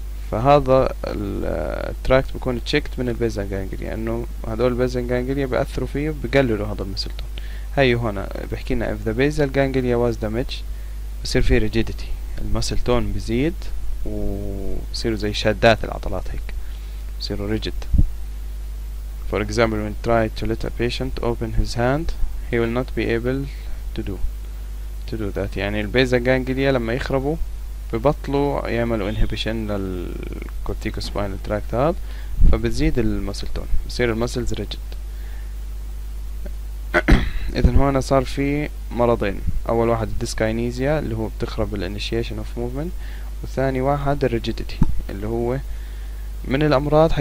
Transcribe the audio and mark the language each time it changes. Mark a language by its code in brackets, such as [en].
[ar] فهذا التراكت بيكون تشيكت من البيزا جانجليا، انه هدول البيزا جانجليا بيأثروا فيه وبقللوا هذا المسل تون. هاي هون بحكي لنا [en] if the basal ganglia was damaged [ar] بصير فيه rigidity، المسل تون بزيد وصيروا زي شادات العضلات هيك، بصيروا rigid. [en] For example, when try to let a patient open his hand, he will not be able to do that. [ar] يعني البيزا جانجليا لما يخربوا ببطلوا يعملوا inhibition للكورتيكوسباينال تراكت هذا، فبتزيد المسل تون، بصير المسلز rigid. إذا هون صار في مرضين، أول واحد الديسكاينيزيا اللي هو بتخرب الانيشيشن اوف موفمنت، والثاني واحد الريجيديتي اللي هو من الامراض.